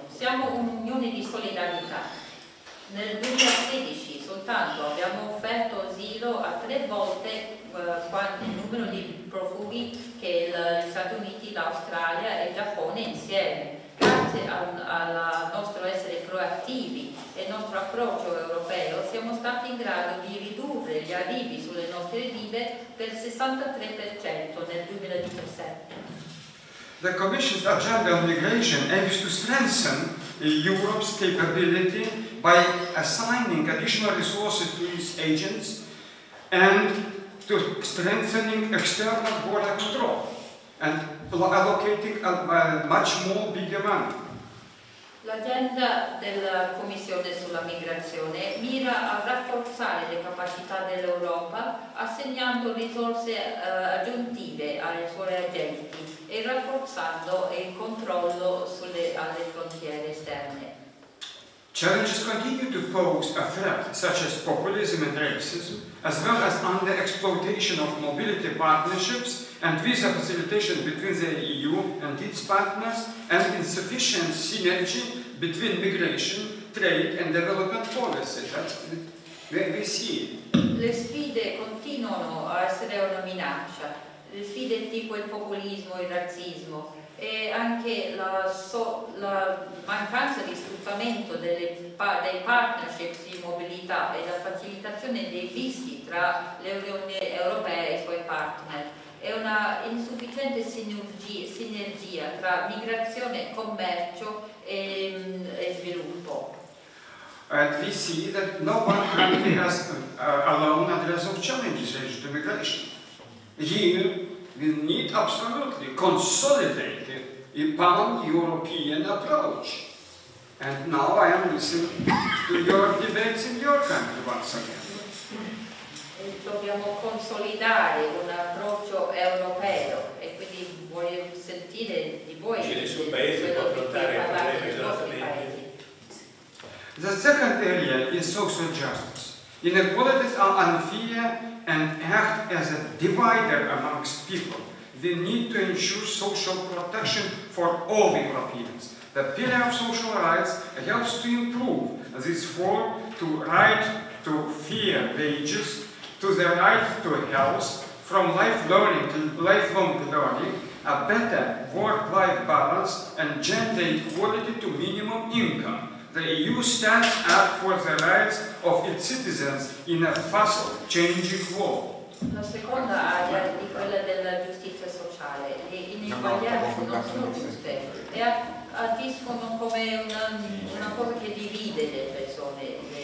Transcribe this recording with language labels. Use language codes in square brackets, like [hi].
[it] Siamo un'unione di solidarietà. Nel 2016 soltanto abbiamo offerto asilo a tre volte il numero di profughi che gli Stati Uniti, l'Australia e il Giappone insieme, grazie al nostro essere proattivi e al nostro approccio europeo, siamo stati in grado di ridurre gli arrivi sulle nostre rive per il 63% nel 2017. [en] The Commission's agenda on migration aims to strengthen Europe's capability by assigning additional resources to its agents and to strengthening external border control and allocating much more bigger money. [it] L'agenda della Commissione sulla migrazione mira a rafforzare le capacità dell'Europa assegnando risorse aggiuntive ai suoi agenti e rafforzando il controllo alle frontiere esterne. [en] Challenges continue to pose a threat such as populism and racism, as well as under exploitation of mobility partnerships and visa facilitation between the EU and its partners, and insufficient synergy between migration, trade and development policy. That's where we see it. [it] Le sfide continuano a essere una minaccia, le sfide tipo il populismo e il razzismo, e anche la mancanza di sfruttamento dei partnership di mobilità e la facilitazione dei visti tra l'Unione Europea e i suoi partner. È una insufficiente sinergia tra migrazione, commercio e sviluppo. [en] And we see that no one country has alone addressed the challenges related to migration. Here we need absolutely consolidate a pan-European approach. And now I am listening to your debates in your country once again. [it] Dobbiamo consolidare un approccio europeo e quindi voglio sentire di voi che nessun paese può affrontare il problema esattamente. [en] The second area is social justice. Inequalities are unfair and act as a divider amongst people. We need to ensure social protection for all Europeans. The pillar of social rights helps to improve this form to right to fair wages, to the right to health, from lifelong to lifelong learning, a better work-life balance and gender equality to minimum income. The EU stands up for the rights of its citizens in a fast-changing world. [it] La seconda area è quella della giustizia sociale. Le ineguaglianze non sono giuste e agiscono come una cosa che divide le persone.